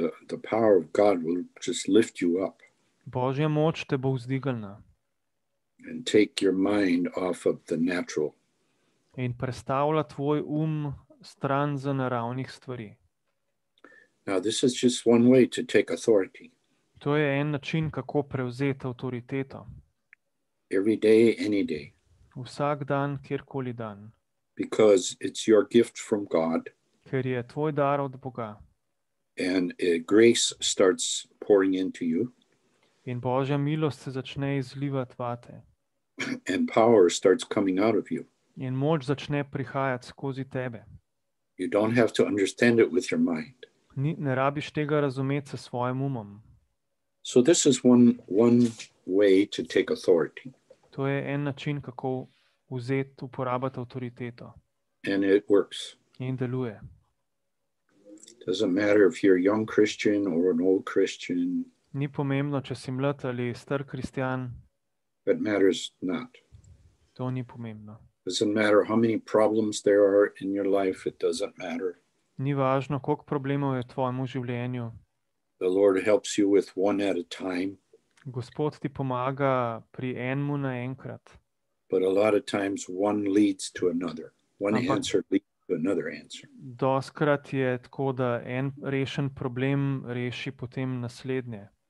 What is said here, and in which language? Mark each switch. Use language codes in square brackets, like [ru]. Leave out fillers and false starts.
[en] The power of God will just lift you up. [sl] Božja moč te bo vzdigalna. [en] And take your mind off of the natural. [sl] In prestavlja tvoj um stran z naravnih stvari. [en] Now this is just one way to take authority. [sl] To je en način, kako prevzeti avtoriteto. [en] Every day, any day. [sl] Vsak dan, kjerkoli dan. [en] Because it's your gift from God. [sl] Ker je tvoj dar od Boga. [en] And grace starts pouring into you. [sl] In Božja milost se začne izlivati vate. [en] And power starts coming out of you. [sl] In moč začne prihajati skozi tebe. [en] You don't have to understand it with your mind. [sl] Ne rabiš tega razumeti s svojim umom. [en] So this is one way to take authority. [sl] To je en način, kako vzeti, uporabiti avtoriteto. [en] And it works. [sl] In deluje. [en] Doesn't matter if you're a young Christian or an old Christian. [sl] Ni pomembno, če si mlad ali star kristjan. [en] It matters not. [sl] To ni pomembno. [en] Doesn't matter how many problems there are in your life, it doesn't matter. [sl] Ni važno, koliko problemov je v tvojem življenju. [en] The Lord helps you with one at a time. [sl] Gospod ti pomaga pri enemu na enkrat. [en] But a lot of times one leads to another. One [sl] Ampak [en] answer leads to another answer. [sl] Doskrat je tako, da en rešen problem reši potem naslednje.